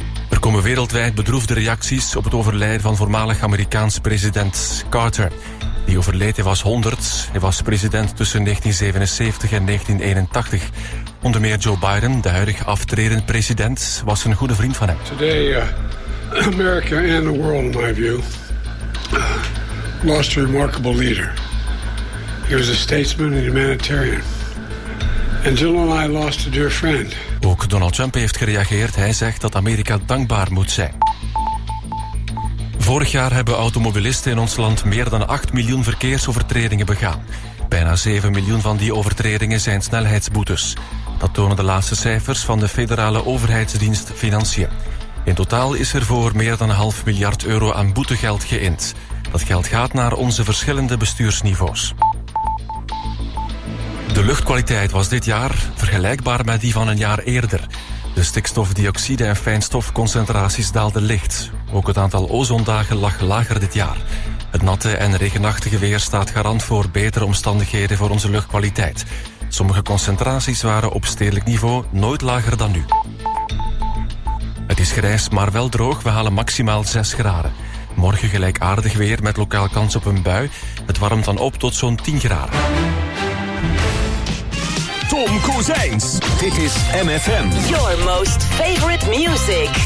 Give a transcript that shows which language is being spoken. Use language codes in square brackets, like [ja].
[nl] Er komen wereldwijd bedroefde reacties op het overlijden van voormalig Amerikaans president Carter. Die overleed, hij was 100. Hij was president tussen 1977 en 1981. Onder meer Joe Biden, de huidig aftredend president, was een goede vriend van hem. [en] Today, America and the world, in my view, lost a remarkable leader. He was a statesman and humanitarian. And Jill and I lost a dear friend. [nl] Ook Donald Trump heeft gereageerd. Hij zegt dat Amerika dankbaar moet zijn. Vorig jaar hebben automobilisten in ons land meer dan 8 miljoen verkeersovertredingen begaan. Bijna 7 miljoen van die overtredingen zijn snelheidsboetes. Dat tonen de laatste cijfers van de federale overheidsdienst Financiën. In totaal is er voor meer dan 500 miljoen euro aan boetegeld geïnd. Dat geld gaat naar onze verschillende bestuursniveaus. De luchtkwaliteit was dit jaar vergelijkbaar met die van een jaar eerder. De stikstofdioxide- en fijnstofconcentraties daalden licht. Ook het aantal ozondagen lag lager dit jaar. Het natte en regenachtige weer staat garant voor betere omstandigheden voor onze luchtkwaliteit. Sommige concentraties waren op stedelijk niveau nooit lager dan nu. Het is grijs, maar wel droog. We halen maximaal 6 graden. Morgen gelijkaardig weer met lokaal kans op een bui. Het warmt dan op tot zo'n 10 graden. Tom Kozijns. Dit is MFM. [en] Your most favorite music.